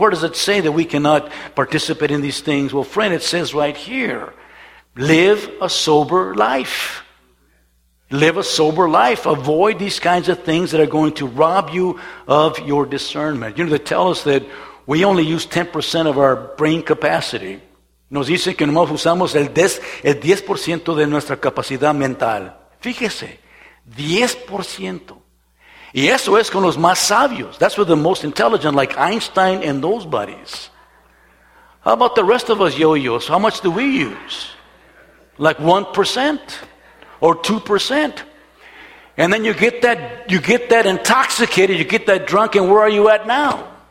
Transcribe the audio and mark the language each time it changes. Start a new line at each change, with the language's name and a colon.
English: Where does it say that we cannot participate in these things? Well, friend, it says right here, live a sober life. Live a sober life. Avoid these kinds of things that are going to rob you of your discernment. You know, they tell us that we only use 10% of our brain capacity.
Spanish: Nos dicen que nomás usamos el 10% de nuestra capacidad mental. Fíjese, 10%. Y eso es con los más sabios.
English: That's with the most intelligent, like Einstein and those buddies. How about the rest of us yo-yos? How much do we use? Like 1% or 2%. And then you get that intoxicated, you get that drunk, and where are you at now?